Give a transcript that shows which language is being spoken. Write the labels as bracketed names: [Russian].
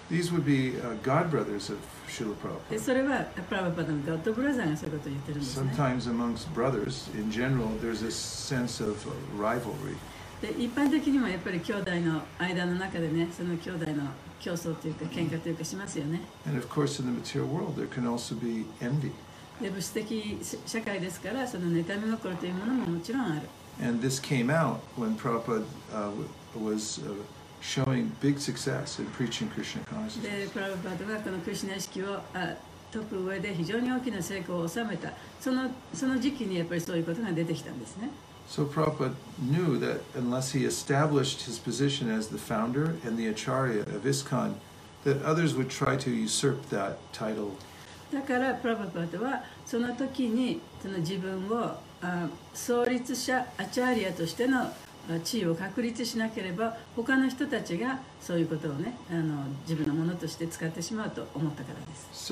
[English] These would be god brothers of Srila Prabhupada. [Japanese] それはプラヴァパーダのゴッドブラザーがそういうことを言ってるんですね。 [English] Sometimes amongst brothers, in general, there's a sense of rivalry. [Japanese] で一般的にもやっぱり兄弟の間の中でね、その兄弟の競争というか喧嘩というかしますよね。 [English] And of course, in the material world, there can also be envy. [Japanese] で物質的社会ですから、その妬み心というものももちろんある。 [English] And this came out when Prabhupada was showing big success in preaching Krishna consciousness. [Japanese] で、プラブパダはこのクリシュナ意識を解く上で非常に大きな成功を収めた。その時期にやっぱりそういうことが出てきたんですね。 [English] So Prabhupada knew that unless he established his position as the founder and the acharya of ISKCON, that others would try to usurp that title. [Japanese] だからプラブパダはその時にその自分を創立者アチャーリアとしての地位を確立しなければ、他の人たちがそういうことをね、自分のものとして使ってしまうと思ったからです。